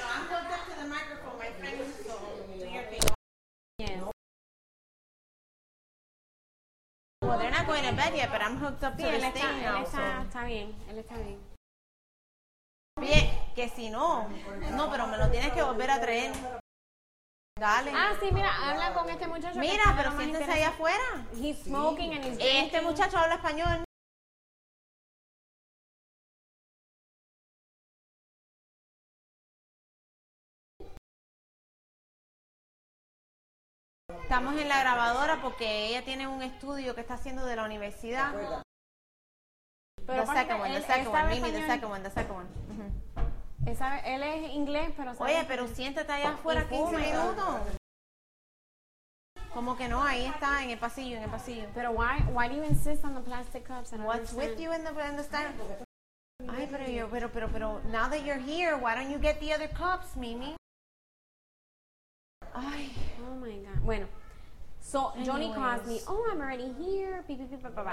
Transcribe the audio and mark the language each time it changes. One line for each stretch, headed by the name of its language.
English: I'm hooked up to the microphone, my friend. Yes. Well, they're not going to bed yet, but I'm hooked up to the thing now.
Spanish: Está bien. Bien, que si no. No, pero me lo tienes que volver a traer. Dale. Ah, sí, mira, habla con este muchacho. Mira, pero siéntese ahí afuera.
English: He's smoking
Spanish: sí.
English: And he's drinking.
Spanish: Este muchacho habla español. Estamos en la grabadora porque ella tiene un estudio que está haciendo de la universidad.
English: The second one.
Spanish: Él es inglés, pero... ¿sabes? Oye, pero siéntate allá afuera 15 minutos. Como que no, ahí está, en el pasillo.
English: Pero why do you insist on the plastic cups? And what's with you in the stand? Ay, pero, now that you're here, why don't you get the other cups, Mimi? Ay. Oh, my God. Bueno. So, anyways. Joni calls me, oh, I'm already here. Beep, beep, beep, blah, blah, blah.